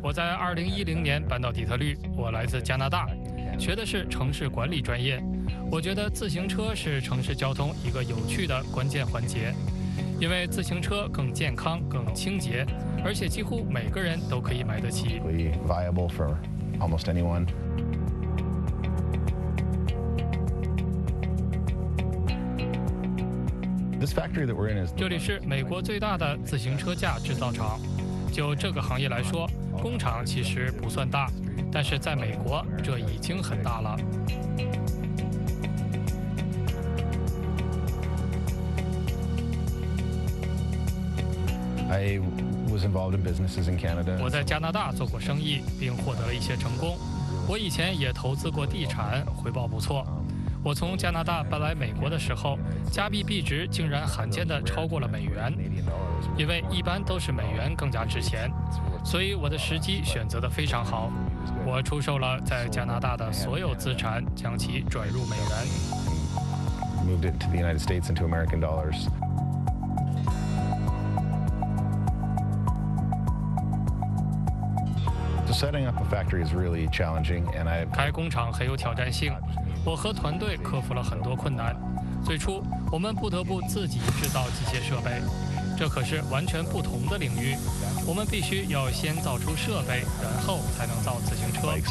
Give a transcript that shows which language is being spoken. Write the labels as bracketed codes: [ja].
[zh] 我在2010年搬到底特律，我来自加拿大，学的是城市管理专业。我觉得自行车是城市交通一个有趣的关键环节，因为自行车更健康、更清洁，而且几乎每个人都可以买得起。 [en] Viable for almost anyone. [zh] 这里是美国最大的自行车架制造厂。就这个行业来说，工厂其实不算大，但是在美国这已经很大了。 [en] I was involved in businesses in Canada. [zh] 我在加拿大做过生意，并获得了一些成功。我以前也投资过地产，回报不错。我从加拿大搬来美国的时候，加币币值竟然罕见地超过了美元，因为一般都是美元更加值钱，所以我的时机选择得非常好。我出售了在加拿大的所有资产，将其转入美元。 [en] Moved it to the United States into American dollars. Setting up a factory is really challenging, and I. [zh] 开工厂很有挑战性，我和团队克服了很多困难。最初，我们不得不自己制造机械设备，这可是完全不同的领域。我们必须要先造出设备，然后才能造自行车。